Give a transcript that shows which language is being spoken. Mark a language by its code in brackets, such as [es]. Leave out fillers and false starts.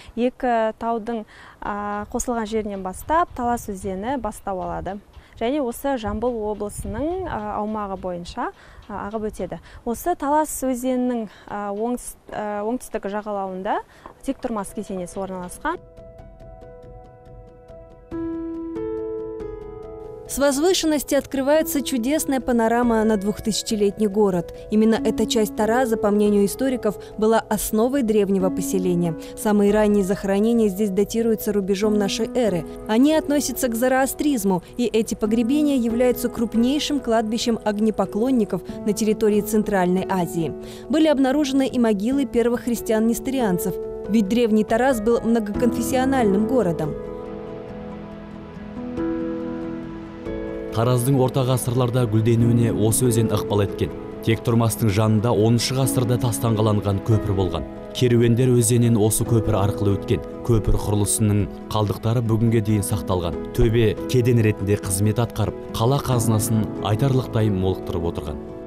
[kk] Екі таудың қосылған жерінен бастап, Талас өзені бастау алады. Және осы Жамбыл облысының аумағы бойынша ағып өтеді. Осы Талас өзенінің оңтүстік жағалауында Тектурмас кесенесі орналасқан. [ru] С возвышенности открывается чудесная панорама на 2000-летний город. Именно эта часть Тараза, по мнению историков, была основой древнего поселения. Самые ранние захоронения здесь датируются рубежом нашей эры. Они относятся к зороастризму, и эти погребения являются крупнейшим кладбищем огнепоклонников на территории Центральной Азии. Были обнаружены и могилы первых христиан-несторианцев, ведь древний Тараз был многоконфессиональным городом. [kk] Тараздың орта ғасырларда гүлденуіне осы өзен ықпал еткен. Тектурмастың жанында 10-шы ғасырда тастан қаланған көпір болған. Керуендер өзенінен осы көпір арқылы өткен. Көпір құрылысының қалдықтары бүгінге дейін сақталған. Төбе кеден ретінде қызмет атқарып, қала қазынасын айтарлықтай молықтырып отырған.